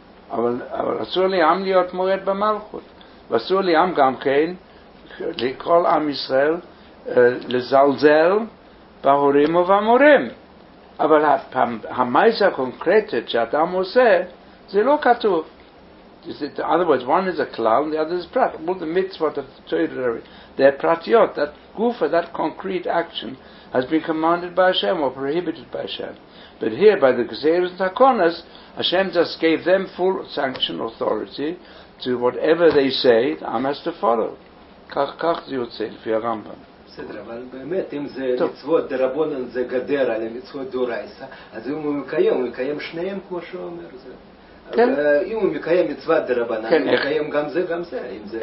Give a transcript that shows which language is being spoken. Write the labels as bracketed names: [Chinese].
[Hebrew] אבל אסור לעם להיות מורד במלכות. ואסור לעם גם כן, לכל עם ישראל, לזלזל בהורים ובמורים. אבל המעשה הקונקרטית שאדם עושה, זה לא כתוב. [English] In other words, one is a klal and the other is a prat. Well, the mitzvot of the Torah, they're pratiot. That gufa, that concrete action, has been commanded by Hashem or prohibited by Hashem. But here, by the gezeiros and takonos, Hashem just gave them full sanction authority to whatever they say, the Am has to follow. [Hebrew] Kach זה יוצא לפי הרמב״ם. בסדר, אבל באמת, אם זה מצוות דרבנן, זה גדר על המצוות דאורייתא, אז אם הוא מקיים שניהם, כמו שהוא אומר, זה... כן. אם הוא מקיים מצוות דרבנן, הוא מקיים גם זה, גם זה.